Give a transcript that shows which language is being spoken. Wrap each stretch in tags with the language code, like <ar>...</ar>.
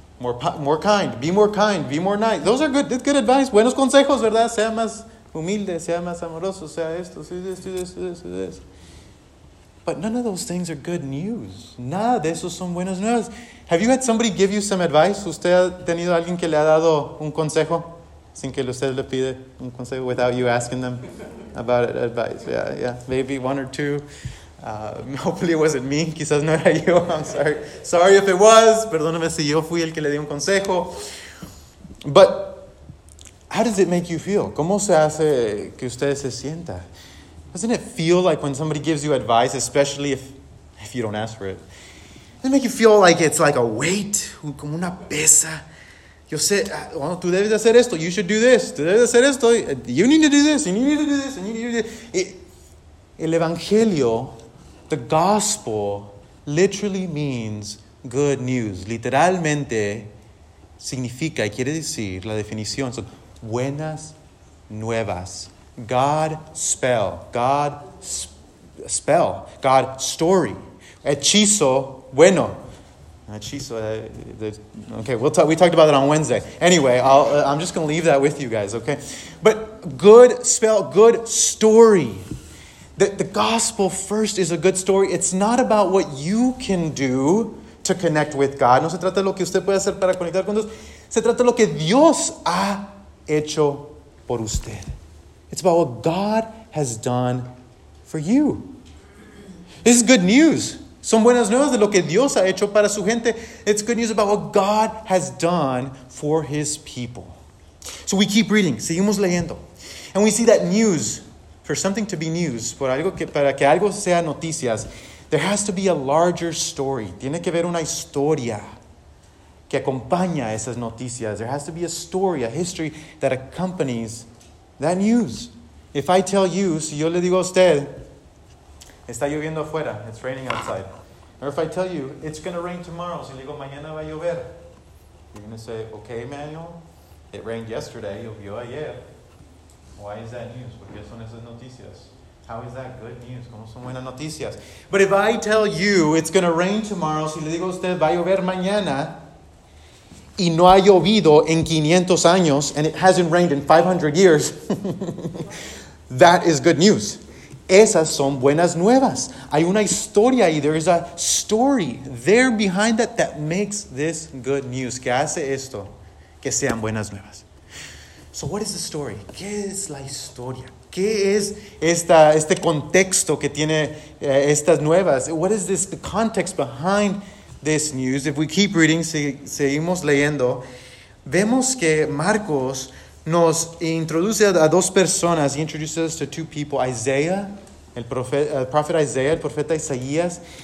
<en>More kind. Be more kind. Be more nice. Those are good advice.</en> <es>Buenos consejos, ¿verdad? Sea más humilde. Sea más amoroso. Sea esto.</es> <en>Do this. But none of those things are good news.</en> <es>Nada de eso son buenas nuevas.</es> <en>Have you had somebody give you some advice?</en> <es>¿Usted ha tenido alguien que le ha dado un consejo? Sin que usted le pide un consejo</es> <en>without you asking them about it, advice. Yeah. Maybe one or two. Hopefully it wasn't me.</en> <es>Quizás no era yo.</es> <en>I'm sorry. Sorry if it was.</en> <es>Perdóname si yo fui el que le di un consejo.</es> <en>But how does it make you feel?</en> <es>¿Cómo se hace que usted se sienta?</es> <en>Doesn't it feel like when somebody gives you advice, especially if you don't ask for it? Doesn't it make you feel like it's like a weight?</en> <es>Como una pesa. Yo sé, bueno, tú debes hacer esto.</es> <en>You should do this.</en> <es>Tú debes hacer esto.</es> <en>You need to do this. And you need to do this. And you need to do this. El Evangelio, the gospel, literally means good news.</en> <es>Literalmente significa, y quiere decir, la definición son buenas nuevas.</es> <en>God spell. God spell. God story.</en> <es>Hechizo bueno.</es> <en>We talked about it on Wednesday. Anyway, I'm just going to leave that with you guys, okay? But good spell, good story. The gospel first is a good story. It's not about what you can do to connect with God.</en> <es>No se trata de lo que usted puede hacer para conectar con Dios. Se trata de lo que Dios ha hecho por usted.</es> <en>It's about what God has done for you. This is good news.</en> <es>Son buenas nuevas de lo que Dios ha hecho para su gente.</es> <en>It's good news about what God has done for his people. So we keep reading.</en> <es>Seguimos leyendo.</es> <en>And we see that news, for something to be news,</en> <es>para que algo sea noticias,</es> <en>there has to be a larger story.</en> <es>Tiene que haber una historia que acompaña esas noticias.</es> <en>There has to be a story, a history that accompanies that news. If I tell you,</en> <es>si yo le digo a usted, está lloviendo afuera.</es> <en>It's raining outside. Or if I tell you, it's going to rain tomorrow.</en> <es>Si le digo, mañana va a llover.</es> <en>You're going to say, okay, Manuel, it rained yesterday.</en> <es>Llovió ayer.</es> <en>Why is that news?</en> <es>¿Por qué son esas noticias?</es> <en>How is that good news?</en> <es>¿Cómo son buenas noticias?</es> <en>But if I tell you, it's going to rain tomorrow.</en> <es>Si le digo a usted, va a llover mañana. Y no ha llovido en 500 años.</es> <en>And it hasn't rained in 500 years. That is good news.</en> <es>Esas son buenas nuevas. Hay una historia ahí.</es> <en>There is a story there behind that that makes this good news.</en> <es>Que hace esto que sean buenas nuevas.</es> <en>So what is the story?</en> <es>¿Qué es la historia? ¿Qué es este contexto que tiene estas nuevas?</es> <en>What is this, the context behind this news? If we keep reading,</en> <es>seguimos leyendo, vemos que Marcos nos introduce a dos personas.</es> <en>He introduces us to two people. Isaiah, el profeta Isaías.</en>